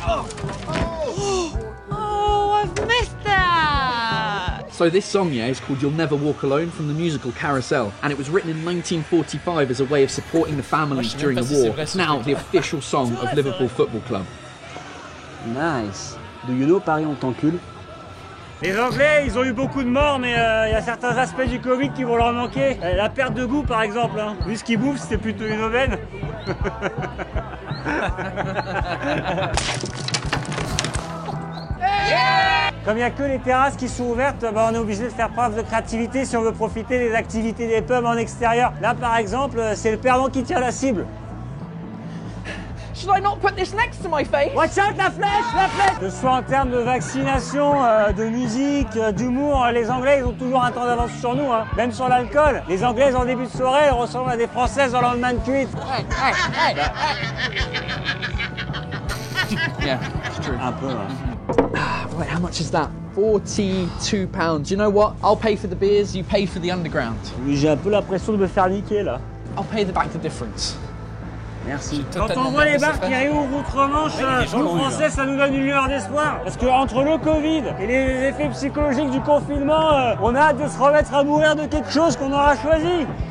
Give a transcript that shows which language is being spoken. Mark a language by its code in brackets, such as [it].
[en] Oh, I've missed that. So this song, yeah, is called You'll Never Walk Alone from the musical Carousel, and it was written in 1945 as a way of supporting the families during the war. It's now the official song of Liverpool Football Club. Nice. Do you know [fr] Paris en t'encule? Les Anglais, ils ont eu beaucoup de morts, mais il y a certains aspects du Covid qui vont leur manquer. La perte de goût, par exemple. Hein. Vu ce qu'ils bouffent, c'était plutôt une aubaine. Comme il n'y a que les terrasses qui sont ouvertes, bah on est obligé de faire preuve de créativité si on veut profiter des activités des pubs en extérieur. Là, par exemple, c'est le perdant qui tire la cible. [en] Should I not put this next to my face? Watch out, [fr] la flèche, la flèche! Que ce soit en termes de vaccination, de musique, d'humour, les Anglais, ils ont toujours un temps d'avance sur nous, hein. Même sur l'alcool. Les Anglaises, en début de soirée, elles ressemblent à des Françaises en lendemain de cuite. [en] Hey, hey, hey! Yeah, it's true. [fr] Un peu, hein. [en] Wait, how much is that? £42. You know what? I'll pay for the beers, you pay for the underground. [fr] Oui, j'ai un peu l'impression de me faire niquer, là. [en] I'll pay the back the difference. [fr] Merci. Quand on voit les bars qui arrivent outre-Manche, nous, Français, ça nous donne une lueur d'espoir. Parce que entre le Covid et les effets psychologiques du confinement, on a hâte de se remettre à mourir de quelque chose qu'on aura choisi.